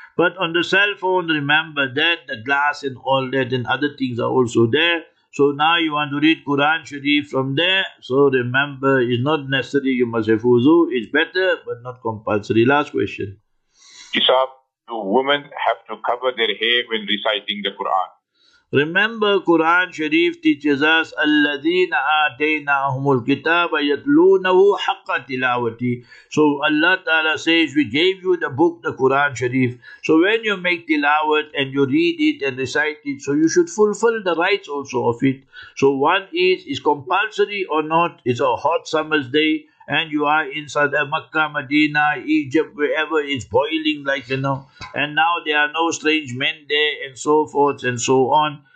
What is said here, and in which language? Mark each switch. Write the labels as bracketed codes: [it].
[en] But on the cell phone, remember that the glass and all that and other things are also there. So now you want to read Quran Sharif from there. So remember, it's not necessary you must have wudu. It's better, but not compulsory. Last question. Kisab, do women have to cover their hair when reciting the Quran? Remember, Quran Sharif teaches us, [ar] الَّذِينَ آتَيْنَاهُمُ الْكِتَابَ يَتْلُونَهُ حَقَّ تِلَاوَتِي. [en] So Allah Ta'ala says, we gave you the book, the Quran Sharif. So when you make tilawat and you read it and recite it, so you should fulfill the rights also of it. So one is compulsory or not? It's a hot summer's day and you are inside Makkah, Medina, Egypt, wherever it's boiling, like, you know, and now there are no strange men there and so forth and so on.